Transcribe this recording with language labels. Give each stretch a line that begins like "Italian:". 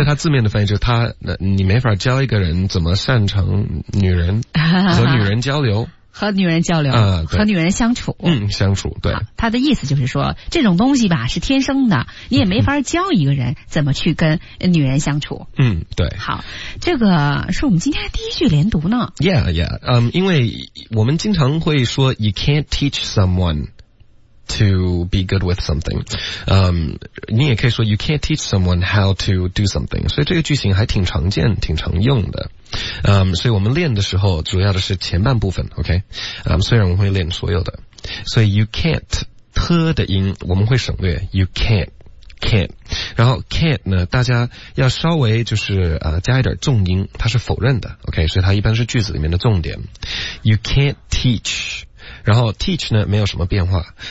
Chinese: 以他字面的翻译就是他你没法教一个人怎么擅长女人和女人交流。和女人交流和女人相处。相处对。他的意思就是说这种东西吧是天生的你也没法教一个人怎么去跟女人相处。对。好这个是我们今天的第一句连读呢。
English: Yeah,
Chinese: 因为我们经常会说
English: you can't teach someone to be good with something.
Chinese: 你也可以说
English: you can't teach someone how to do something.
Chinese: 所以这个句型还挺常见挺常用的。所以我们练的时候主要的是前半部分 OK 虽然我们会练所有的所以 you can't 特的音我们会省略 you can't 然后 can't 呢大家要稍微就是加一点重音它是否认的 OK 所以它一般是句子里面的重点
English: you can't teach
Chinese: 然后 teach 呢没有什么变化